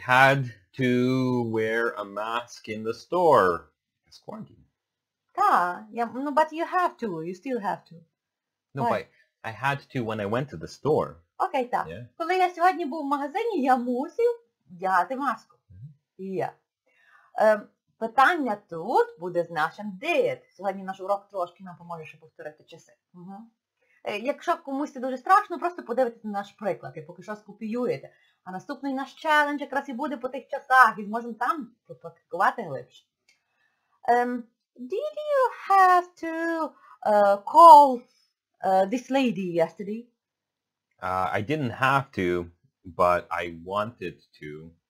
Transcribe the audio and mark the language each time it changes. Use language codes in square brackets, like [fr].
[en] had to wear a mask in the store. It's quarantine. But you have to. You still have to. No, but I had to when I went to the store. Окей, так. Yeah. [uk] Коли я сьогодні був в магазині, я мусив вдягати маску. Yeah. Питання тут буде з нашим did. Сьогодні наш урок трошки нам поможе, щоб повторити часи. Якщо комусь це дуже страшно, просто подивитися на наш приклад і поки що скопіюєте. А наступний наш челендж якраз і буде по тих часах, і зможемо там попрактикувати глибше. [en] Did you have to call this lady yesterday? I didn't have to, but I wanted to.